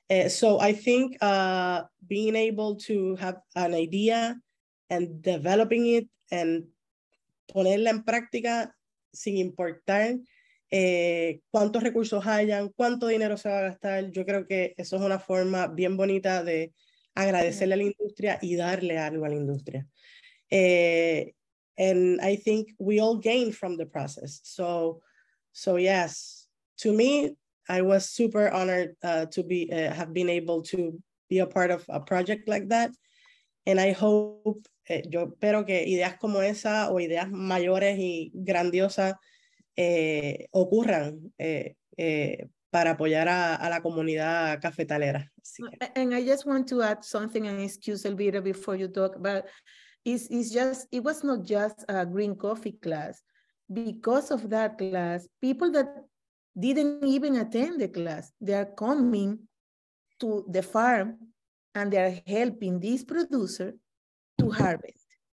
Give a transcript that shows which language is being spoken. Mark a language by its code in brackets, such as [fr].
[en] So I think being able to have an idea and developing it and [es] ponerla en práctica sin importar cuántos recursos hayan, cuánto dinero se va a gastar, yo creo que eso es una forma bien bonita de agradecerle a la industria y darle algo a la industria. [en] And I think we all gained from the process. So yes, to me, I was super honored have been able to be a part of a project like that. And I hope, [es] yo espero que ideas como esa o ideas mayores y grandiosas ocurran para apoyar a la comunidad cafetalera. [en] And I just want to add something and excuse Elvira before you talk, but it was not just a green coffee class. Because of that class, people that didn't even attend the class, they are coming to the farm and they are helping this producer to harvest.